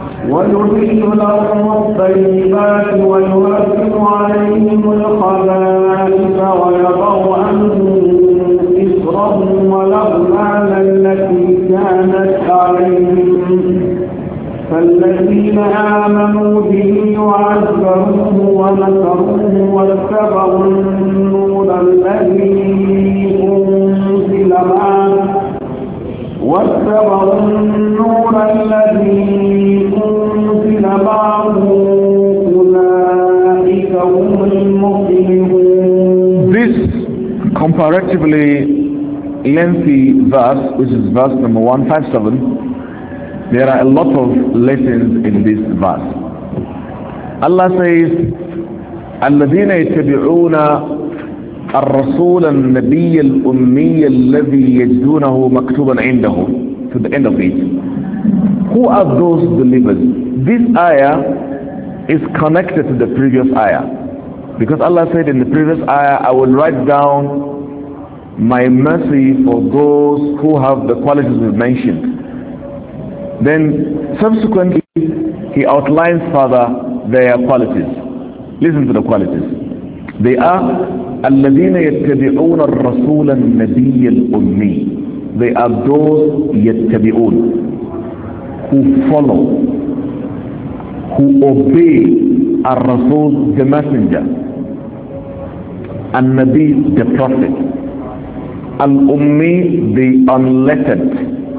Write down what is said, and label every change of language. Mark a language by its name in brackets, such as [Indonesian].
[Arabic] ويحل لهم الطيبات ويحرم عليهم الخبائث ويضع عنهم إصرهم والأغلال التي كانت عليهم فالذين آمنوا به وعزروه ونصروه واتبعوا النور الذي أنزل معه واتبعوا النور الذي أنزل معه أولئك هم المفلحون. [English] This comparatively lengthy verse, which is verse number 157, there are a lot of lessons in this verse. Allah says, [Arabic] الَّذِينَ يَتَّبِعُونَ الرَّسُولَ النَّبِيَّ الْأُمِّيَّ الَّذِي يَجْدُونَهُ مَكْتُوبًا عِنْدَهُ, [English] to the end of it. Who are those believers? This ayah is connected to the previous ayah. Because Allah said in the previous ayah, I will write down my mercy for those who have the qualities we've mentioned. Then subsequently he outlines further their qualities. Listen to the qualities. They are [Arabic] الَّذِينَ يَتَّبِعُونَ الرَّسُولَ النَّبِيَّ الْأُمِّي. [English] They are those [Arabic] يَتَّبِعُونَ, [English] who follow, who obey [Arabic] الرَّسُول, [English] the messenger, [Arabic] النَّبِي, [English] the prophet, [Arabic] الْأُمِّي, [English] the unlettered.